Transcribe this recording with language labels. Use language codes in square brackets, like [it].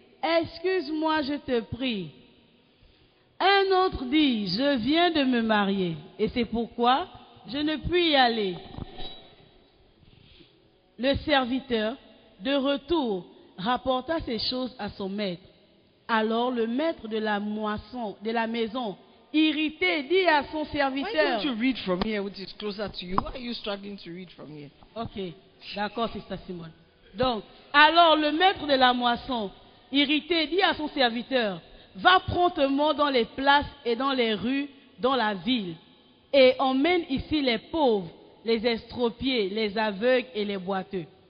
[fr] Excuse-moi, je te prie. » Un autre dit, « Je viens de me marier et c'est pourquoi je ne puis y aller. » Le serviteur, de retour, rapporta ces choses à son maître. Alors le maître de la moisson, de la maison, irrité, dit à son serviteur. [en] Why don't you read from here, which is closer to you? Why are you struggling to read from here? [fr] Okay, d'accord, c'est ça, Simone. Donc, alors le maître de la moisson, irrité, dit à son serviteur, va promptement dans les places et dans les rues, dans la ville, et emmène ici les pauvres, les estropiés, les aveugles et les boiteux.